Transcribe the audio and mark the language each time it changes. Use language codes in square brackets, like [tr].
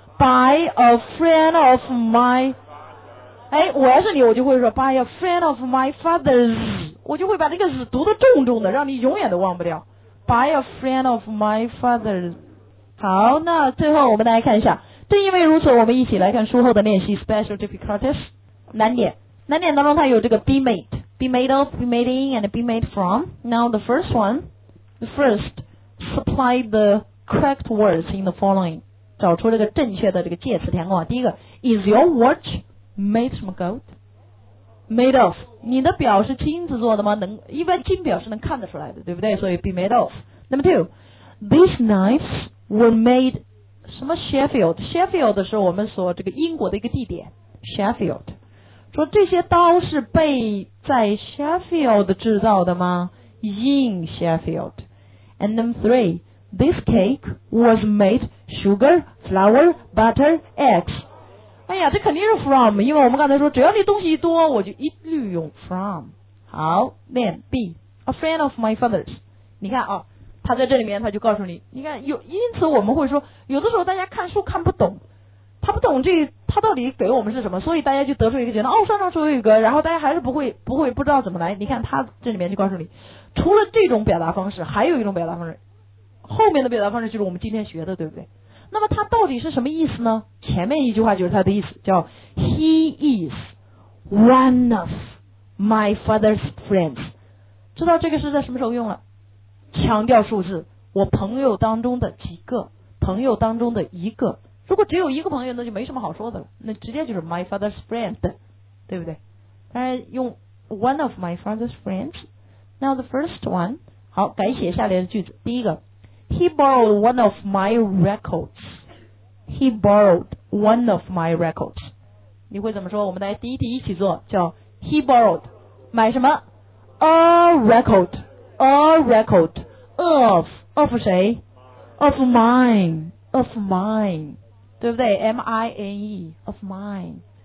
[en] By a friend of my， [zh] 哎，我要是你我就会说 [en] By a friend of my father's， [zh] 我就会把那个字读得重重的，让你永远都忘不掉。 [en] By a friend of my father。 [zh] 好，那最后我们来看一下，正因为如此，我们一起来看书后的练习 ，special difficulties， 难点。难点当中它有这个 be made， be made of， be made in， and be made from。 [en] Now the first one， the first， supply the correct words in the following， [zh] 找出这个正确的这个介词填空。第一个 [en] ，is your watch made [zh] 什么 [en] gold？ [zh] Made of， 你的表是金子做的吗？能，一般金表是能看得出来的，对不对？所以 [en] be made of。 [zh] Number two， these knives were made 什么 Sheffield， Sheffield 是我们所这个英国的一个地点， Sheffield， 说这些刀是被在 Sheffield 制造的吗？ [en] In Sheffield。 And number three， this cake was made sugar flour butter eggs。 [zh] 哎呀，这肯定是 from， 因为我们刚才说只要你东西多我就一律用 from。好， [en] then B， a friend of my father's， [zh] 你看啊，他在这里面他就告诉你，你看有，因此我们会说有的时候大家看书看不懂，他不懂这他到底给我们是什么，所以大家就得出一个结论，哦，上上说一个，然后大家还是不会不知道怎么来。你看他这里面就告诉你，除了这种表达方式还有一种表达方式，后面的表达方式就是我们今天学的，对不对？那么它到底是什么意思呢？前面一句话就是它的意思，叫 [en] He is one of my father's friends。 [zh] 知道这个是在什么时候用了？强调数字，我朋友当中的几个，朋友当中的一个，如果只有一个朋友那就没什么好说的了，那直接就是 [en] my father's friend， [zh] 对不对？但用 [en] one of my father's friends。 Now the first one， [zh] 好，改写下列的句子。第一个， [en] He borrowed one of my records， He borrowed one of my records. [zh] 你会怎么说？我们来第一题一起做，叫 [en] He borrowed [zh] 买什么 [en] A record of [zh] 谁 [en] of mine [zh] 对不对 M-I-N-E of mine.